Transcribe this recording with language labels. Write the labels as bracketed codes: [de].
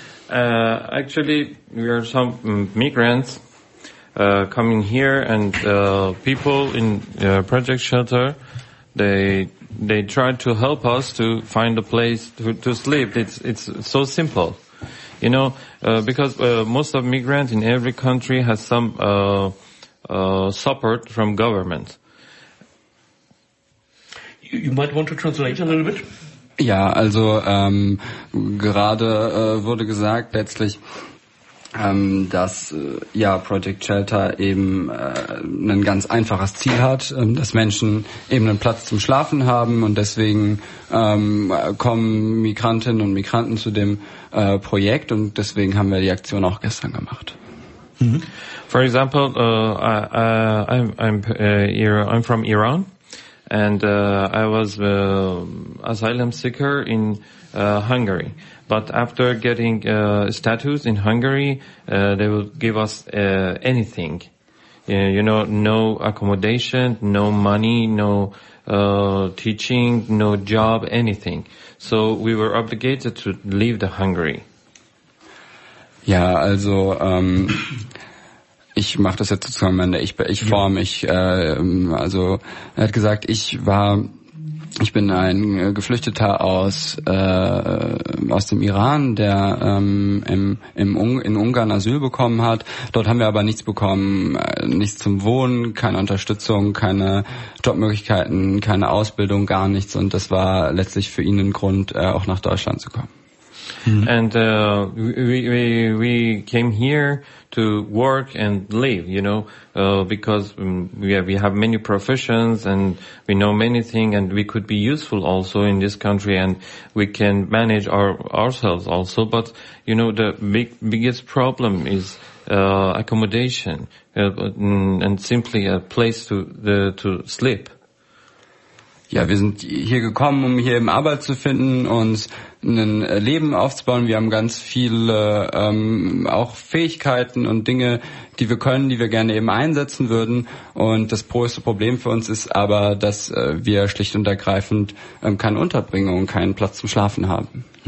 [en] Actually, we are some migrants coming here, and people in Project Shelter, they try to help us to find a place to sleep. It's so simple, you know, because most of migrants in every country has some support from government. You might want to translate a little bit. [de] Ja, also gerade wurde gesagt letztlich, dass ja Project Shelter eben ein ganz einfaches Ziel hat, dass Menschen eben einen Platz zum Schlafen haben, und deswegen kommen Migrantinnen und Migranten zu dem Projekt, und deswegen haben wir die Aktion auch gestern gemacht. [en] Mm-hmm. For example, I'm from Iran. And I was asylum seeker in Hungary. But after getting status in Hungary, they will give us anything. You know, no accommodation, no money, no teaching, no job, anything. So we were obligated to leave the Hungary. [de] Ja, also ich mache das jetzt sozusagen, ich forme mich, also er hat gesagt, ich bin ein Geflüchteter aus dem Iran, der in Ungarn Asyl bekommen hat. Dort haben wir aber nichts bekommen, nichts zum Wohnen, keine Unterstützung, keine Jobmöglichkeiten, keine Ausbildung, gar nichts, und das war letztlich für ihn ein Grund, auch nach Deutschland zu kommen. Mm-hmm. [en] And we came here to work and live, you know, because we have many professions and we know many things, and we could be useful also in this country, and we can manage ourselves also. But you know, the biggest problem is accommodation and simply a place to sleep. [de] Ja, wir sind hier gekommen, um hier eben Arbeit zu finden, uns ein Leben aufzubauen. Wir haben ganz viele auch Fähigkeiten und Dinge, die wir können, die wir gerne eben einsetzen würden. Und das größte Problem für uns ist aber, dass wir schlicht und ergreifend keine Unterbringung, keinen Platz zum Schlafen haben.